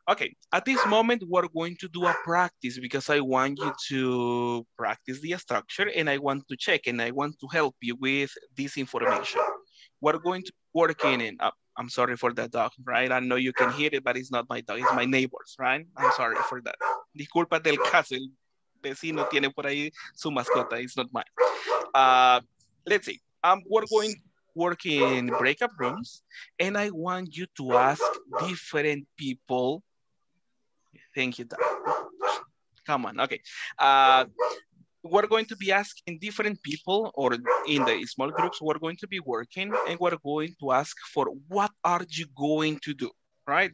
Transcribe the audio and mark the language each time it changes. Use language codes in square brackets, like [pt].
[en] Okay, at this moment, we're going to do a practice because I want you to practice the structure and I want to check and I want to help you with this information. We're going to work in it. I'm sorry for that dog, right? I know you can hear it, but it's not my dog. It's my neighbor's, right? I'm sorry for that. [es] Disculpa del caso, el vecino tiene por ahí su mascota. [en] It's not mine. Let's see. We're going to work in breakout rooms, and I want you to ask different people. Thank you, Doug. Come on, okay. We're going to be asking different people or in the small groups, we're going to be working and we're going to ask for what are you going to do, right?